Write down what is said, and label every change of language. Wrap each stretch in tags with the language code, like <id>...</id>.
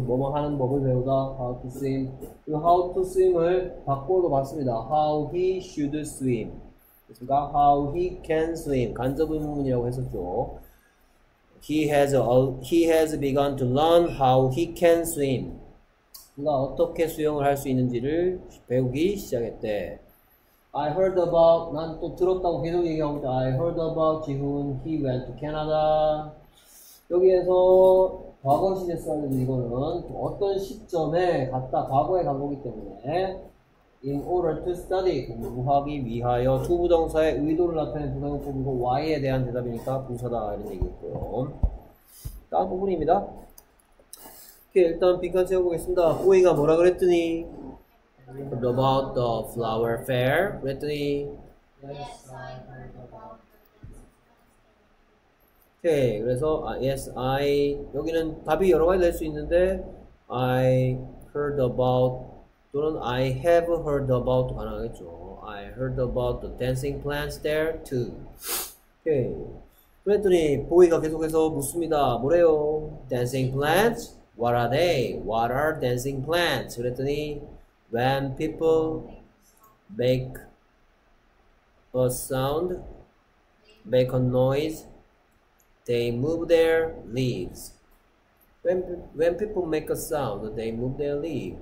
<ko>뭐뭐 하는 법을 배우다</ko> <en>how to swim</en> <ko>그 how to swim을 바꿔도 봤습니다.</ko> <en>How he should swim.</en> <ko>그니까</ko> <en>how he can swim</en> <ko>간접 의문문이라고 했었죠.</ko> <en>He has begun to learn how he can swim.</en> <ko>그가 어떻게 수영을 할 수 있는지를 배우기 시작했대.</ko> <en>I heard about</en> <ko>난 또 들었다고 계속 얘기하고 있다.</ko> <en>I heard about 지훈 he went to Canada.</en> <ko>여기에서 과거 시제 써야 되는 이거는 어떤 시점에 갔다 과거에 간 거기 때문에.</ko> <en>In order to study,</en> <ko>공부하기 위하여 to 부정사의 의도를 나타내는 부정법이고 why에 대한 대답이니까 부사다 이런 얘기였고요. 다음 부분입니다. 오케이, 일단 빈칸 채워보겠습니다. 꼬이가 뭐라 그랬더니</ko> <en>heard about the flower fair</en> <ko>그랬더니 오케이, 그래서</ko> <en>yes I</en> <ko>여기는 답이 여러 가지 될 수 있는데</ko> <en>I heard about</en> <ko>또는</ko> <en>I have heard about</en> <ko>가능하겠죠.</ko> <en>I heard about the dancing plants there too.</en> <ko>오케이. 그랬더니 보이가 계속해서 묻습니다. 뭐래요?</ko> <en>Dancing plants? What are they? What are dancing plants?</en> <ko>그랬더니</ko> <en>When people make a sound, make a noise, they move their leaves. When people make a sound, they move their leaves.</en>